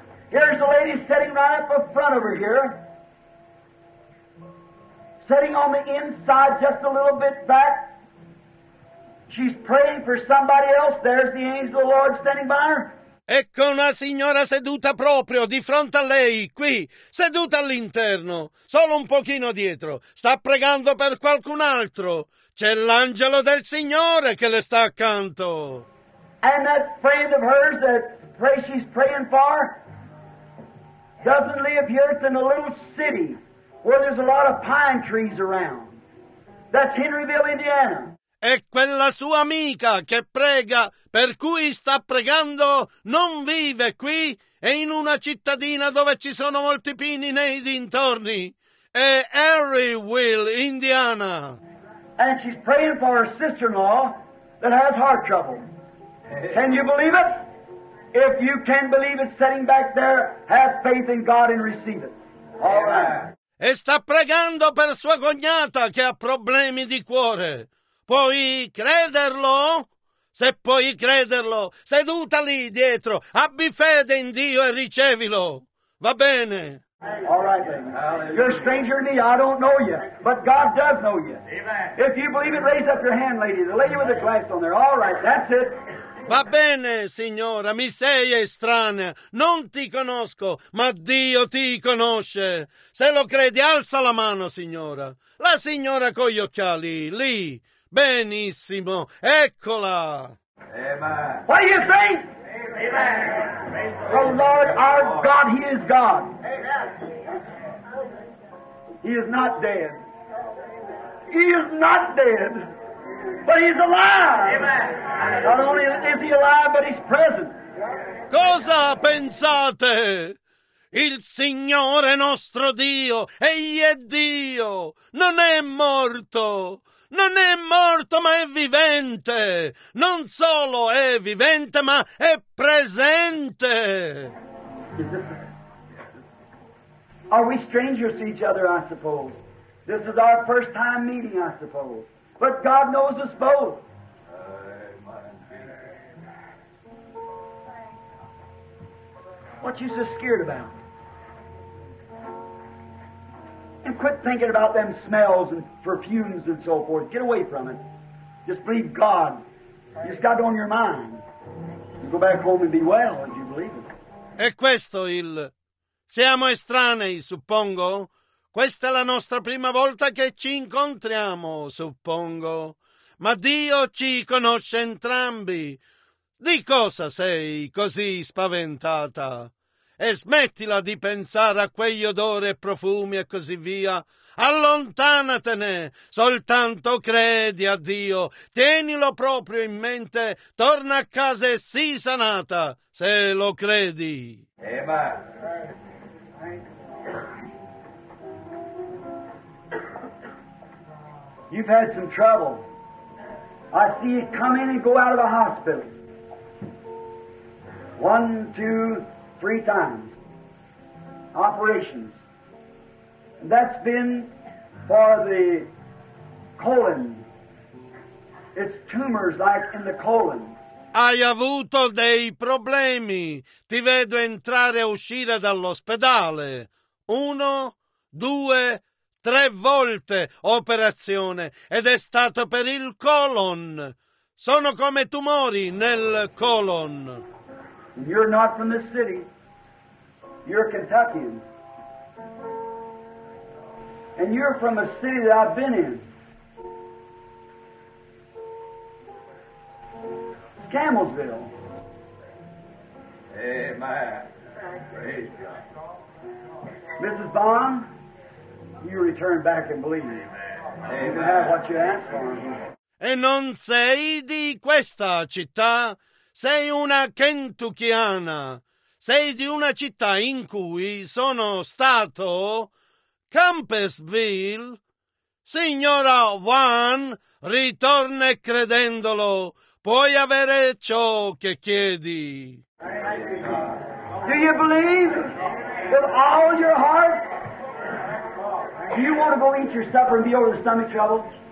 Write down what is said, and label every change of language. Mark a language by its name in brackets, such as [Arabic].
[English] Here's the lady sitting right up in front over here. Sitting on the inside just a little bit back. She's praying for somebody else. There's the angel of the Lord standing by her. [Italian] Ecco una signora seduta proprio di fronte a lei, qui, seduta all'interno, solo un pochino dietro. Sta pregando per qualcun altro. C'è l'angelo del Signore che le sta accanto. [English] And that friend of hers that pray she's praying for doesn't live here in a little city where there's a lot of pine trees around. That's Henryville, Indiana. [Italian] E quella sua amica che prega, per cui sta pregando, non vive qui, è in una cittadina dove ci sono molti pini nei dintorni. È Henryville, Indiana. [English] And she's praying for her sister-in-law that has heart trouble. Can you believe it? If you can believe it, sitting back there, have faith in God and receive it. All right. [Italian] E sta pregando per sua cognata che ha problemi di cuore. Puoi crederlo? Se puoi crederlo, seduta lì dietro, abbi fede in Dio e ricevilo. Va bene. [English] All right, baby. You're a stranger to me. I don't know you. But God does know you. Amen. If you believe it, raise up your hand, lady. The lady with the glass on there. All right, that's it. [Italian] Va bene, signora, mi sei estranea. Non ti conosco, ma Dio ti conosce. Se lo credi, alza la mano, signora. La signora con gli occhiali, lì. Benissimo, eccola. [English] Amen. What do you think? Amen. The Lord our God, He is God. Amen. He is not dead. He is not dead, but He's alive. Amen. Not only is He alive, but He's present. [Italian] Cosa pensate? Il Signore nostro Dio, Egli è Dio, non è morto. Non è morto, ma è vivente. Non solo è vivente, ma è presente. [English] Are we strangers to each other, I suppose? This is our first time meeting, I suppose. But God knows us both. what you so scared about? And quit thinking about them smells and perfumes and so forth. Get away from it. Just believe God. Just got it on your mind. You go back home and be well if you believe it. [Italian] È questo il siamo estranei, suppongo? Questa è la nostra prima volta che ci incontriamo, suppongo. Ma Dio ci conosce entrambi. Di cosa sei così spaventata? E smettila di pensare a quegli odori e profumi e così via. Allontanatene, soltanto credi a Dio. Tienilo proprio in mente, torna a casa e sii sanata, se lo credi. Eva. [English] You've had some trouble. I see it come in and go out of the hospital. 1, 2, 3 times. Operations. And that's been for the colon. It's tumors like in the colon. [Italian] Hai avuto dei problemi. Ti vedo entrare e uscire dall'ospedale. 1, 2... 3 volte operazione ed è stato per il colon. Sono come tumori nel colon. [English] You're not from this city. You're a Kentuckian. And you're from a city that I've been in. It's Camelsville. Amen. Praise God. Mrs. Bond? You return back and believe me. You can have what you ask for. [Italian] E non sei di questa città. Sei una kentuchiana. Sei di una città in cui sono stato. Campbellsville. Signora Juan, ritorna credendolo. Puoi avere ciò che chiedi. [English] Do you believe with all your heart? Do you want to go eat your supper and be over the stomach trouble?